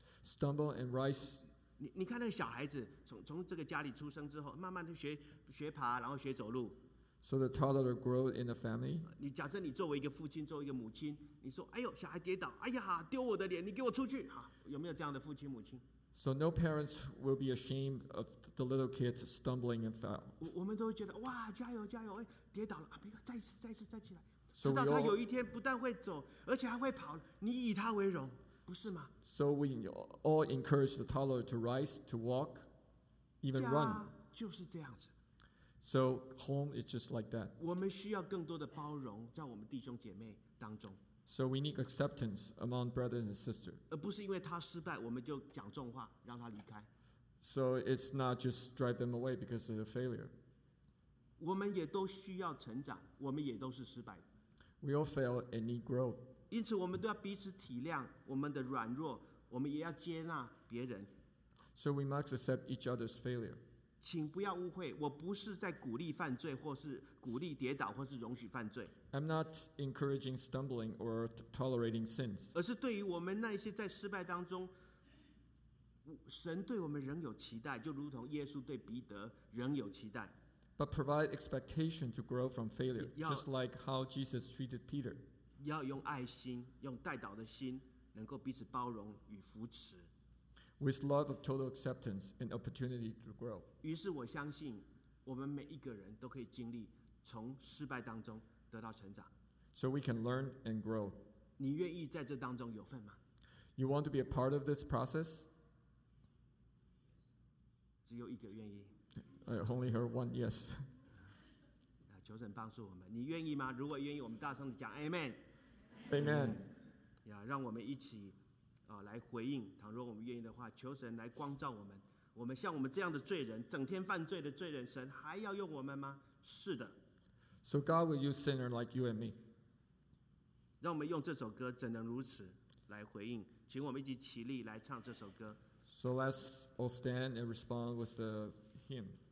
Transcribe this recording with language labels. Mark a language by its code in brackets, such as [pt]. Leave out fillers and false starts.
[en] Stumble and rise. [zh] 你看那个小孩子从这个家里出生之后，慢慢的学爬，然后学走路。 [en] So the toddler grew in the family. [zh] 你假设你作为一个父亲，作为一个母亲，你说：“哎呦，小孩跌倒，哎呀，丢我的脸，你给我出去！” 啊，有没有这样的父亲母亲 [en] ？So no parents will be ashamed of the little kids stumbling and fell. [zh] 我们都会觉得哇，加油加油！哎，跌倒了啊，没有，再一次，再起来。 So、直到他有一天不但会走，而且还会跑，你以他为荣，不是吗 [en] ？So we all encourage the toddler to rise, to walk, even run. [zh] 就是这样子。 [en] So home is just like that. [zh] 我们需要更多的包容在我们弟兄姐妹当中。 [en] So we need acceptance among brothers and sisters. [zh] 而不是因为他失败，我们就讲重话让他离开。 [en] So it's not just drive them away because of the failure. [zh] 我们也都需要成长，我们也都是失败。 [en] We all fail and need growth. [zh] 因此，我们都要彼此体谅我们的软弱，我们也要接纳别人。 [en] So we must accept each other's failure. [zh] 请不要误会，我不是在鼓励犯罪，或是鼓励跌倒，或是容许犯罪。 [en] I'm not encouraging stumbling or tolerating sins. [zh] 而是对于我们那些在失败当中，神对我们仍有期待，就如同耶稣对彼得仍有期待。 [en] But provide expectation to grow from failure, just like how Jesus treated Peter. [zh] 要用爱心，用代祷的心，能够彼此包容与扶持。 [en] With love of total acceptance and opportunity to grow. [zh] 于是我相信，我们每一个人都可以经历从失败当中得到成长。 [en] So we can learn and grow. [zh] 你愿意在这当中有份吗？ [en] You want to be a part of this process? [zh] 只有一个愿意。 [en] I only heard one yes. [zh] 求神帮助我们。你愿意吗？如果愿意，我们大声地讲 Amen. [en] Amen. [zh] 让我们一起来回应，倘若我们愿意的话，求神来光照我们。我们像我们这样的罪人，整天犯罪的罪人，神还要用我们吗？是的。 [en] So God will use sinner like you and me. [zh] 让我们用这首歌《怎能如此》来回应，请我们一起起立来唱这首歌。 [en] So let's all stand and respond with the hymn.